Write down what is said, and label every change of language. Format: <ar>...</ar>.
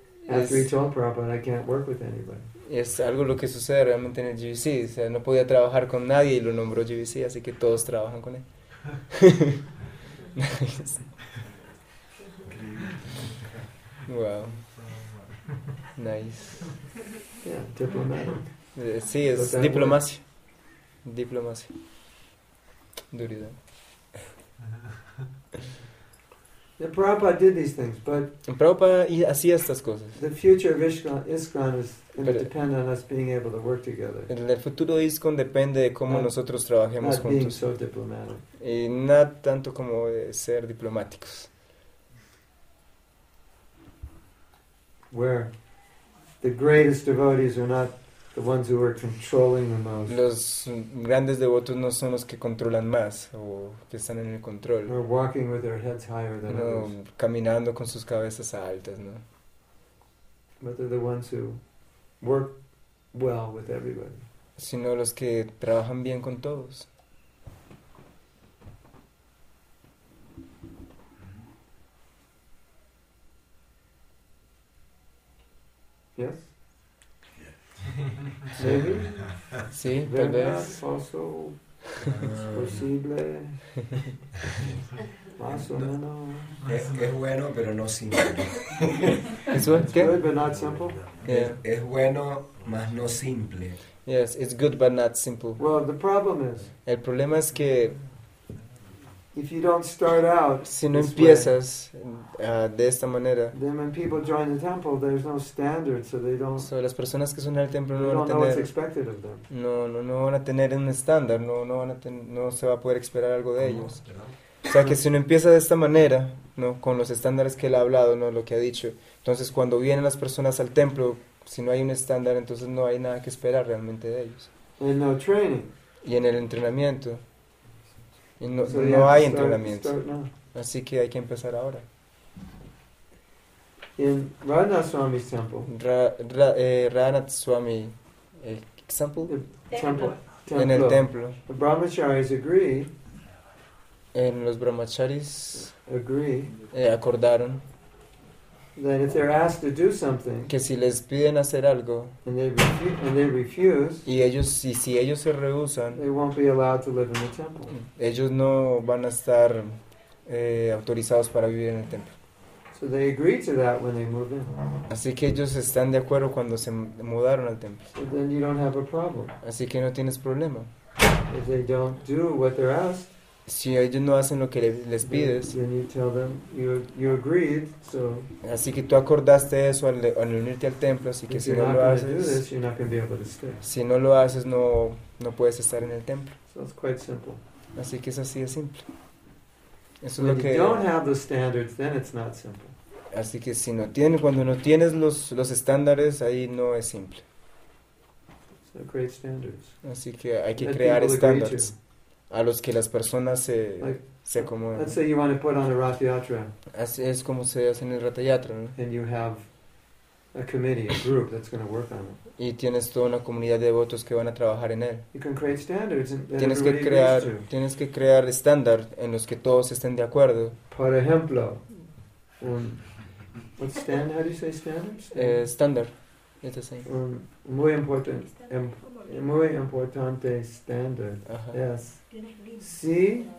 <en>After he told Prabhupada, I can't work with anybody.</en> <es>Es algo lo que sucede realmente en el GBC. O sea, no podía trabajar con nadie y lo nombró GBC, así que todos trabajan con él.</es> <en>Nice. Wow. Nice. Yeah, diplomatic.</en> <es>Sí, es diplomacia. Word. Diplomacia. Durida.</es> <en>The Prabhupada did these things, but</en> <es>Prabhupada hacía estas cosas.</es> <en>The future of ISKCON is going to depend on us being able to work together.</en> <es>El futuro de ISKCON depende de cómo nosotros trabajemos juntos.</es> <en>Not being so diplomatic.</en> <es>Y no tanto como ser diplomáticos.</es> <en>Where the greatest devotees are not the ones who are controlling the most.</en> <es>Los grandes devotos no son los que controlan más o que están en el control.</es> <en>Or walking with their heads higher than others.</en> <es>No, caminando con sus cabezas altas, ¿no?</es> <en>But they're the ones who work well with everybody.</en> <es>Sino los que trabajan bien con todos.</es> <en>Yes.</en> <es>Maybe. Sí, tal vez. Also, posible. Más o menos. Es bueno, pero no simple. Es bueno,</es> <en>but not simple. Yeah.</en> <es>Es bueno, más no simple.</es> <en>Yes, it's good, but not simple. Well, the problem is.</en> <es>El problema es que.</es> <en>If you don't start out,</en> <es>si no empiezas de esta manera,</es> <en>then when people join the temple, there's no standard, so they don't.</en> <es>So las personas que son al templo no van a tener.</es> <en>What's expected of them.</en> <es>No van a tener un estándar. No se va a poder esperar algo de ellos. O sea que si uno empieza de esta manera, no, con los estándares que él ha hablado, no, lo que ha dicho. Entonces cuando vienen las personas al templo, si no hay un estándar, entonces no hay nada que esperar realmente de ellos.</es> <en>And no training.</en> <es>Y en el entrenamiento. Y no, so no hay entrenamiento. Así que hay que empezar ahora. En Radha Swami's temple. Radha Swami, el example?</es> <en>Temple.</en> <es>En el templo.</es> <en>The Brahmacharis agree.</en> <es>En los Brahmacharis</es> <en>agree.</en> <es>Acordaron.</es> <en>That if they're asked to do something.</en> <es>Que si les piden hacer algo.</es> <en>And they refuse.</en> <es>Y si ellos se rehusan.</es> <en>They won't be allowed to live in the temple.</en> <es>Ellos no van a estar autorizados para vivir en el templo.</es> <en>So they agree to that when they move in.</en> <es>Así que ellos están de acuerdo cuando se mudaron al templo.</es> <en>So then you don't have a problem.</en> <es>Así que no tienes problema.</es> <en>If they don't do what they're asked.</en> <es>Si ellos no hacen lo que les pides,</es> <en>then you tell them you agreed, so.</en> <es>Así que tú acordaste eso al unirte al templo, así que</es> <en>if</en> <es>si no lo haces,</es> <en>this, you're not gonna be able to stay.</en> <es>Si no lo haces, no puedes estar en el templo.</es> <en>So it's quite simple.</en> <es>Así que es así de simple. Eso es lo que.</es> <en>If you don't have the standards, then it's not simple.</en> <es>Así que si no tienes, cuando no tienes los estándares, ahí no es simple.</es> <en>So create standards.</en> <es>Así que hay que crear estándares. A los que las personas se acomodan.</es> <en>Let's say you want to put on a Rath Yatra.</en> <es>Así es como se hace en el Rath Yatra, ¿no?</es> <en>And you have a committee, a group that's going to work on it.</en> <es>Y tienes toda una comunidad de devotos que van a trabajar en él.</es> <en>You can create standards that</en> <es>tienes que crear estándar en los que todos estén de acuerdo. Por ejemplo,</es> <en>how do you say standards?</en> <es>Estándar. Este es un muy importante, muy importante estándar. Yes. Sí.</es>